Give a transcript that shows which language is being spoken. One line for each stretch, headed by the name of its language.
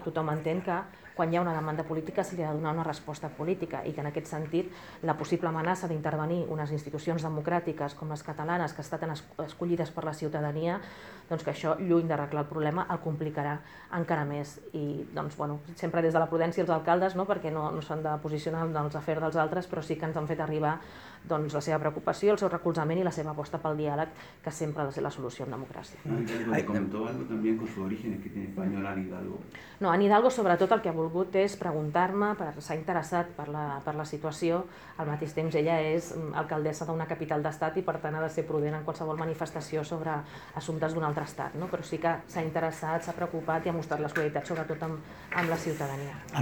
Catalan: Tothom entén que quan hi ha una demanda política se li ha de donar una resposta política i que en aquest sentit la possible amenaça d'intervenir unes institucions democràtiques com les catalanes que estan escollides per la ciutadania, doncs que això, lluny d'arreglar el problema, el complicarà encara més. I doncs, bueno, sempre des de la prudència els alcaldes, no? Perquè no s'han de posicionar en els afers dels altres, però sí que ens han fet arribar doncs, la seva preocupació, el seu recolzament i la seva aposta pel diàleg, que sempre ha de ser la solució en democràcia.
Spanish: ¿Comentó algo también con su origen, que tiene español a Hidalgo?
Catalan: No, en Hidalgo sobretot el que ha volgut és preguntar-me, s'ha interessat per la situació, al mateix temps ella és alcaldessa d'una capital d'estat i per tant ha de ser prudent en qualsevol manifestació sobre assumptes d'un altre estat, no? Però sí que s'ha interessat, s'ha preocupat i ha mostrat la solidaritat sobretot amb la ciutadania.